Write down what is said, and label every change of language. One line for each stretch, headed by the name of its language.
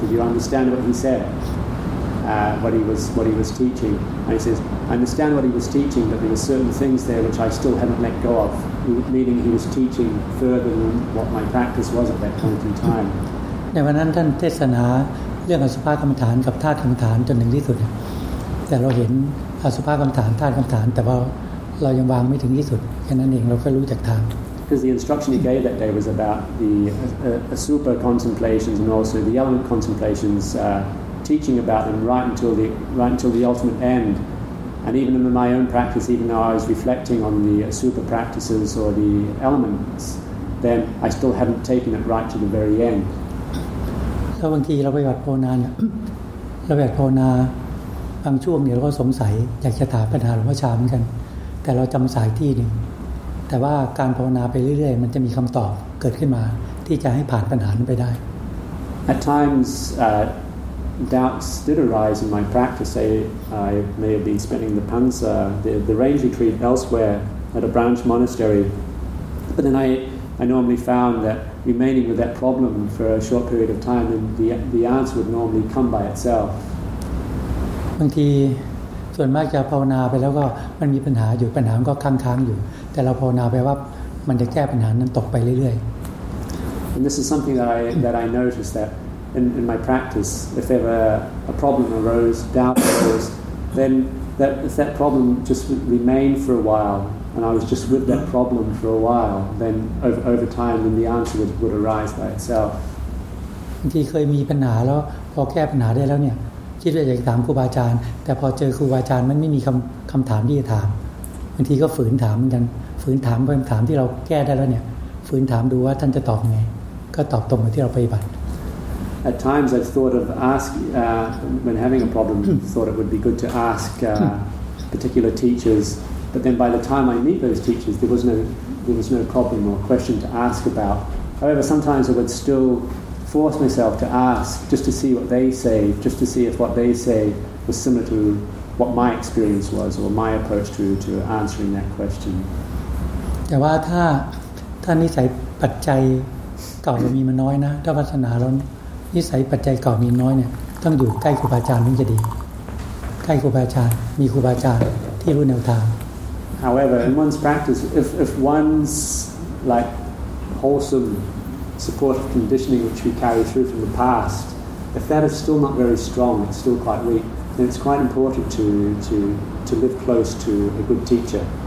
English: Did you understand what he said? What he was teaching. And he says, I understand what he was teaching, but there were certain things there which I still haven't let go of, meaning he was teaching further than what my practice was at that point in time.
Thai: ในวันนั้นท่านเทศนาเรื่องอสุภกรรมฐานกับธาตุกรรมฐานจนถึงที่สุดแต่เราเห็นอสุภกรรมฐานธาตุกรรมฐานแต่ว่าเรายังวางไม่ถึงที่สุดแค่นั้นเองเราก็รู้จักทาง
English: Because the instruction he gave that day was about the asupa contemplations and also the element contemplations teaching about them right until the ultimate end. And even in my own practice, even though I was reflecting on the asupa practices or the elements, then I still hadn't taken it right to the very end.
Thai: ถ้าบางทีเราไปวัดโพนาเราไปวัดโพนาบางช่วงเนี่ยเราก็สงสัยอยากจะถามปัญหาหลวงพ่อชาเหมือนกันแต่เราจำสายที่หนึ่งแต่ว่าการภาวนาไปเรื่อยๆมันจะมีคำตอบเกิดขึ้นมาที่จะให้ผ่านปัญหานั้นไปได้
English: At timesdoubts did arise in my practice. I may have been spending the pansa, the range retreat elsewhere at a branch monastery. But then I normally found that remaining with that problem for a short period of time, then the answer would normally come by itself.
Thai: บางทีส่วนมากจะภาวนาไปแล้วก็มันมีปัญหาอยู่ปัญหาก็ค้างๆอยู่แต่เราภาวนาไปว่ามันจะแก้ปัญหานั้นตกไปเรื่อย
English: ๆ And this is something that I noticed thatIn my practice, if ever a problem arose, doubt arose, then if that problem just remained for a while, and I was just with that problem for a while, then over time, then the answer would arise by itself.
Thai: บางเคยมีปัญหาแล้วพอแก้ปัญหาได้แล้วเนี่ยคิดว่าอยากถามครูบาอาจารย์แต่พอเจอครูบาอาจารย์มันไม่มีคำถามที่จะถามบางทีก็ฝืนถามเหมือนกันฝืนถามคำถามที่เราแก้ได้แล้วเนี่ยฝืนถามดูว่าท่านจะตอบไงก็ตอบตรงกับที่เราปฏิบัติ
English: At times I've thought of when having a problem, thought it would be good to ask particular teachers. But then by the time I meet those teachers, there was no problem or question to ask about. However, sometimes I would still force myself to ask just to see what they say, just to see if what they say was similar to what my experience was or my approach to answering that question.
Thai: แต่ว่าถ้านิสัยปัจจัยเก่าเรามีมาน้อยนะถ้าวาสนาเรานิสัยปัจจัยเก่ามีน้อยเนี่ยต้องอยู่ใกล้ครูบาอาจารย์ถึงจะดีใกล้ครูบาอาจารย์มีครูบาอาจารย์ที่รู้แนวทาง
English: However in one's practice if one's like wholesome supportive conditioning which we carry through from the past if that is still not very strong it's still quite weak then it's quite important to live close to a good teacher